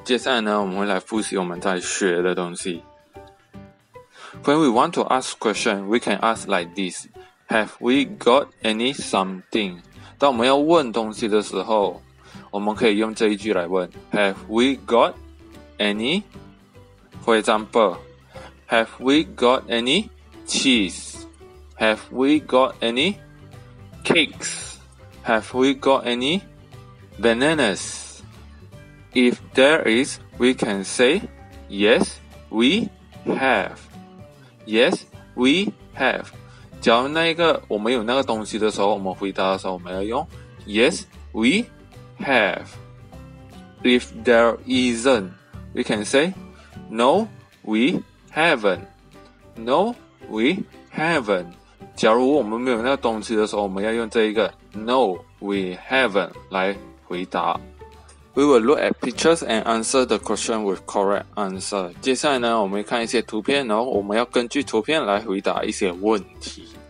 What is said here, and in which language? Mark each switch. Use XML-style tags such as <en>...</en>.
<zh>接下来呢，我们会来复习我们在学的东西。</zh> <en>When we want to ask question, we can ask like this. Have we got any something?</en> <zh>当我们要问东西的时候，我们可以用这一句来问。</zh> <en>Have we got any? For example, Have we got any cheese? Have we got any cake? cakes. Have we got any bananas? If there is, we can say, yes, we have. Yes, we have.</en> <zh>假如那一个我们有那个东西的时候，我们回答的时候，我们要用</zh> <en>yes, we have. If there isn't, we can say, no, we haven't. No, we haven't.</en> <zh>假如我们没有那个东西的时候，我们要用这一个</zh> <en>no, we haven't</en> <zh>来回答。</zh> <en>We will look at pictures and answer the question with correct answer.</en> <zh>接下来呢，我们看一些图片，然后我们要根据图片来回答一些问题。</zh>